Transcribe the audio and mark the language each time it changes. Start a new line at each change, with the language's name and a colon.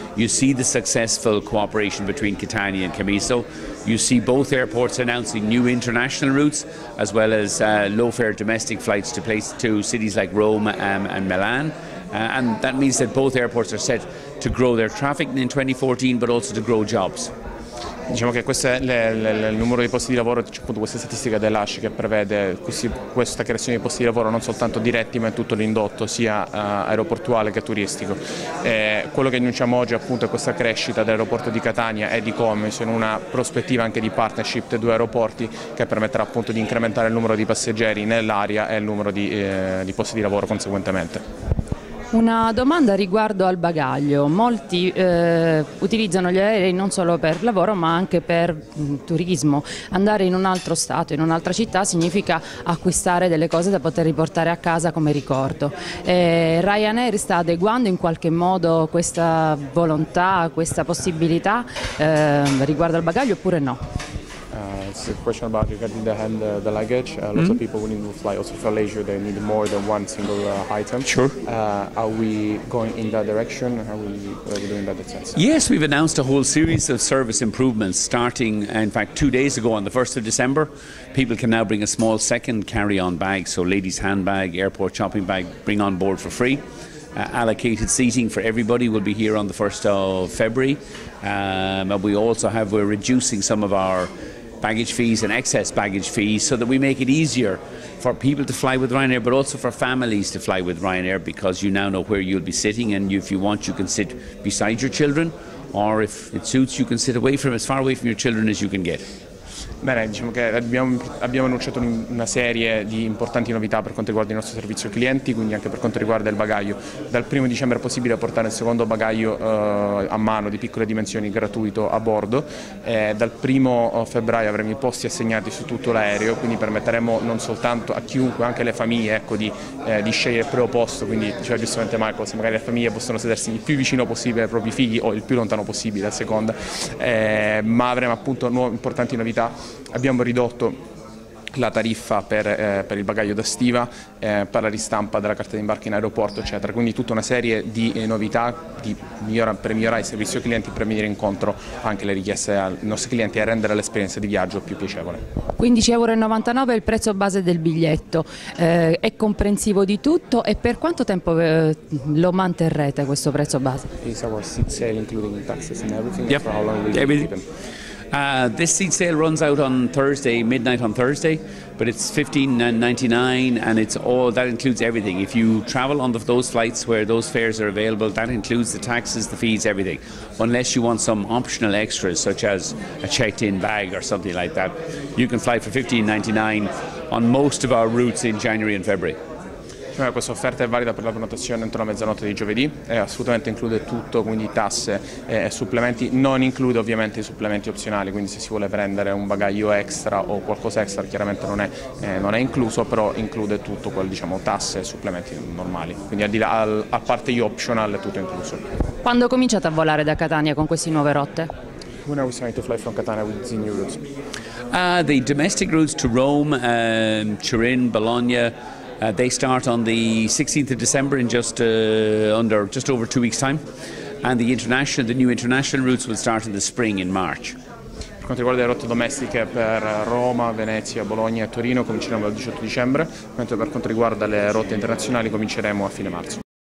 English: You see the successful cooperation between Catania and Comiso. You see both airports announcing new international routes as well as low-fare domestic flights to cities like Rome and Milan. And that means that both airports are set to grow their traffic in 2014 but also to grow jobs.
Italian: Diciamo che questo è il numero di posti di lavoro, c'è appunto questa statistica dell'ASCI che prevede questa creazione di posti di lavoro non soltanto diretti ma in tutto l'indotto, sia aeroportuale che turistico. Quello che annunciamo oggi appunto è questa crescita dell'aeroporto di Catania e di Comiso in una prospettiva anche di partnership dei due aeroporti, che permetterà appunto di incrementare il numero di passeggeri nell'area e il numero di posti di lavoro conseguentemente. Una domanda riguardo al bagaglio. Molti utilizzano gli aerei non solo per lavoro ma anche per turismo. Andare in un altro stato, in un'altra città, significa acquistare delle cose da poter riportare a casa come ricordo. Ryanair sta adeguando in qualche modo questa volontà, questa possibilità riguardo al bagaglio oppure no?
English: It's a question about regarding the luggage. Lots of people willing to fly also for leisure, they need more than one single item. Sure. Are we going in that direction? Are we doing that sense? Yes, we've announced a whole series of service improvements starting, in fact, 2 days ago on the 1st of December. People can now bring a small second carry-on bag, so ladies' handbag, airport shopping bag, bring on board for free. Allocated seating for everybody will be here on the 1st of February. And we're reducing some of our baggage fees and excess baggage fees so that we make it easier for people to fly with Ryanair, but also for families to fly with Ryanair, because you now know where you'll be sitting, and if you want you can sit beside your children, or if it suits you can sit away from as far away from your children as you can get.
Italian: Bene, diciamo che abbiamo annunciato una serie di importanti novità per quanto riguarda il nostro servizio clienti, quindi anche per quanto riguarda il bagaglio. Dal 1 dicembre è possibile portare il secondo bagaglio a mano di piccole dimensioni gratuito a bordo. Dal 1 febbraio avremo i posti assegnati su tutto l'aereo, quindi permetteremo non soltanto a chiunque, anche alle famiglie, ecco, di scegliere il proprio posto. Quindi diceva giustamente Marco, se magari le famiglie possono sedersi il più vicino possibile ai propri figli o il più lontano possibile a seconda, ma avremo appunto nuove importanti novità. Abbiamo ridotto la tariffa per il bagaglio da stiva, per la ristampa della carta di imbarco in aeroporto, eccetera. Quindi tutta una serie di novità per migliorare il servizio ai clienti, per venire incontro anche alle richieste ai nostri clienti e rendere l'esperienza di viaggio più piacevole. €15,99 è il prezzo base del biglietto, è comprensivo di tutto, e per quanto tempo lo manterrete questo prezzo base?
English: It's our seat sale including taxes and everything. Yep. For how long will you keep them? This seat sale runs out on Thursday, midnight on Thursday, but it's $15.99, and it's all that includes everything. If you travel on those flights where those fares are available, that includes the taxes, the fees, everything, unless you want some optional extras such as a checked-in bag or something like that. You can fly for $15.99 on most of our routes in January and February.
Italian: Questa offerta è valida per la prenotazione entro la mezzanotte di giovedì, e assolutamente include tutto, quindi tasse e supplementi, non include ovviamente i supplementi opzionali, quindi se si vuole prendere un bagaglio extra o qualcosa extra chiaramente non è incluso, però include tutto quello, diciamo, tasse e supplementi normali, quindi a parte gli optional è tutto incluso. Quando cominciate a volare da Catania con queste nuove rotte?
English: When are we starting to fly from Catania with the new routes? The domestic routes to Rome, Turin, Bologna. They start on the 16th of December in just over 2 weeks' time, and the new international routes will start in the spring in March.
Italian: Per quanto riguarda le rotte domestiche per Roma, Venezia, Bologna e Torino, cominceremo il 18 dicembre, mentre per quanto riguarda le rotte internazionali cominceremo a fine marzo.